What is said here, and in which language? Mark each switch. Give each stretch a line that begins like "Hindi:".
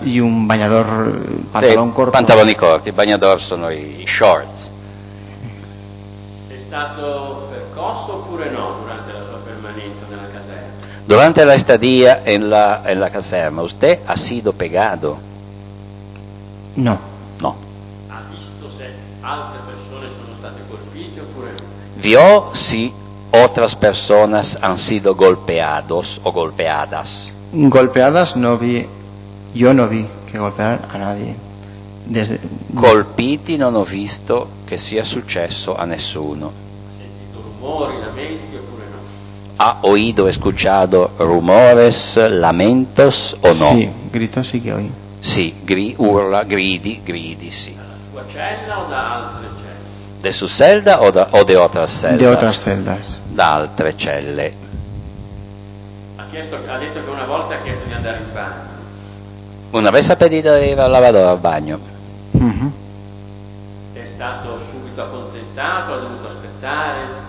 Spanish: Y un bañador, pantalón sí, corto.
Italian: Pantaloni corti,
Spanish: bañador son los shorts.
Italian: ¿Estado percorso oppure no durante la sua permanencia en la caserma?
Spanish: Durante la estadía en la caserma, ¿usted ha sido pegado? No.
Italian: No. ¿Ha visto si altre persone sono state colpite oppure no?
Spanish: Vio, sí. ¿Otras personas han sido golpeados o golpeadas? Golpeadas no vi, yo no vi que golpearan a nadie. Desde,
Italian: colpiti non ho visto che sia successo a nessuno. Sentito rumori, lamenti oppure no?
Spanish: ¿Ha oído, escuchado rumores, lamentos o no? Sí, gritos sí que oí.
Italian: Sí, urla, gridi, sí. ¿Dalla sua cella o da altre celle?
Spanish: De su celda o de otras celdas? De otras celdas.
Italian: Da altre celle. Ha detto che una volta ha chiesto di andare in bagno.
Spanish: Una vez ha pedido di ir al lavadoro, al bagno.
Italian: È stato subito accontentato, ha dovuto aspettare.